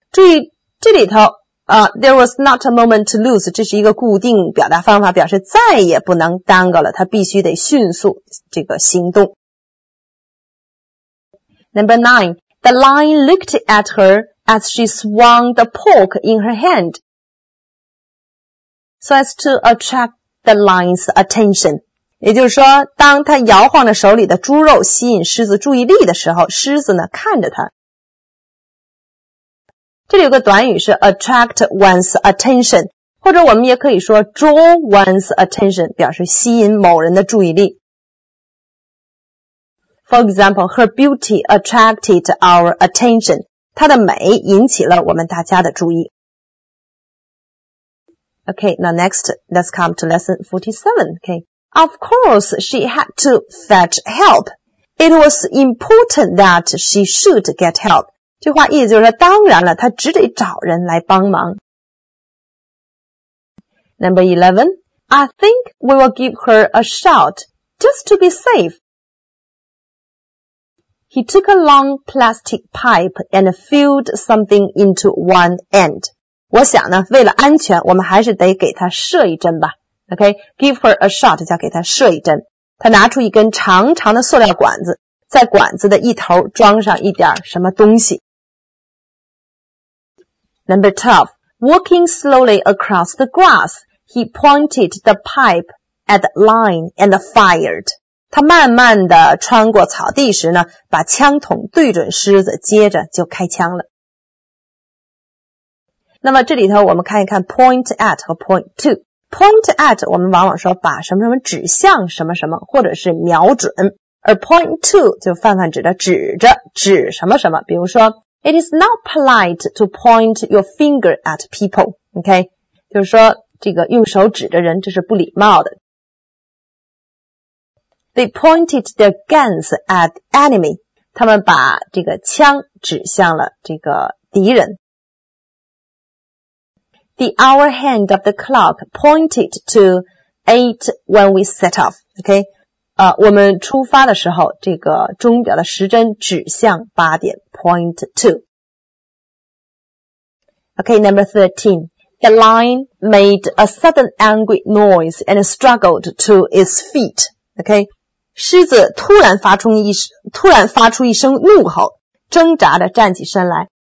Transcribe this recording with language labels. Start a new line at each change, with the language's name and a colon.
Chinese: 注意这里头
English: there was not a moment to lose,
Chinese: 这是一个固定表达方法，表示再也不能耽搁了，他必须得迅速这个行动。
English: Number 9, the lion looked at her as she swung the pork in her hand, so as to attract the lion's attention.
Chinese: 也就是说，当他摇晃着手里的猪肉吸引狮子注意力的时候，狮子呢看着他。这里有个短语是
English: attract one's attention,
Chinese: 或者我们也可以说
English: draw one's attention,
Chinese: 表示吸引某人的注意力。
English: For example, her beauty attracted our attention,
Chinese: 她的美引起了我们大家的注意。
English: Okay, now next, let's come to lesson 47, okay. Of course, she had to fetch help. It was important that she should get help.
Chinese: 这话意思就是说，当然了，他只得找人来帮忙。
English: Number 11, I think we will give her a shot, just to be safe. He took a long plastic pipe and filled something into one end.
Chinese: 我想呢，为了安全，我们还是得给他射一针吧。
English: Okay, give her a shot,
Chinese: 叫给他射一针。他拿出一根长长的塑料管子，在管子的一头装上一点什么东西。
English: Number 12, walking slowly across the grass, he pointed the pipe at the lion and fired.
Chinese: 他慢慢地穿过草地时呢，把枪筒对准狮子，接着就开枪了。那么这里头我们看一看 point at 和 point to. Point at 我们往往说把什么什么指向什么什么，或者是瞄准，而 point to 就泛泛指的指着指什么什么，比如说
English: It is not polite to point your finger at people, okay?
Chinese: 就是说这个用手指着人这是不礼貌的。
English: They pointed their guns at the enemy.
Chinese: 他们把这个枪指向了这个敌人。
English: The hour hand of the clock pointed to 8 when we set off, okay?
Chinese: 我们出发的时候这个钟表的时针指向八点。
English: Point two. Okay, number 13. The lion made a sudden angry noise and struggled to its feet. Okay,
Chinese: 狮子突然发出一声怒吼，挣扎着站起身来。